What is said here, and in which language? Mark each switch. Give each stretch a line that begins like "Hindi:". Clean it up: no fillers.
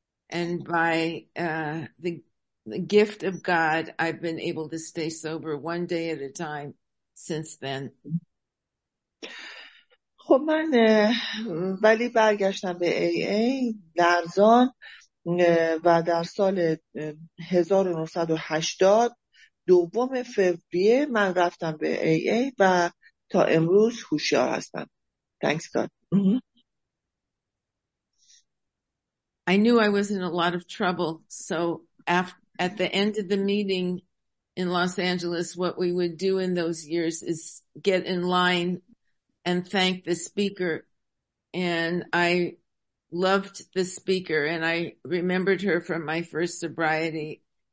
English: And by the gift of God, I've been able to stay sober one day at a time since then.
Persian: خب من ولی برگشتم به ای ای لرزان و در سال 1980 دوم فوریه من رفتم به ای ای و تا امروز هوشیار هستم.
English: Thanks God. I knew I was in a lot of trouble, so at the end of the meeting in Los Angeles, what we would do in those years is get in line and thank the speaker. And I loved the speaker, and I remembered her from my first sobriety.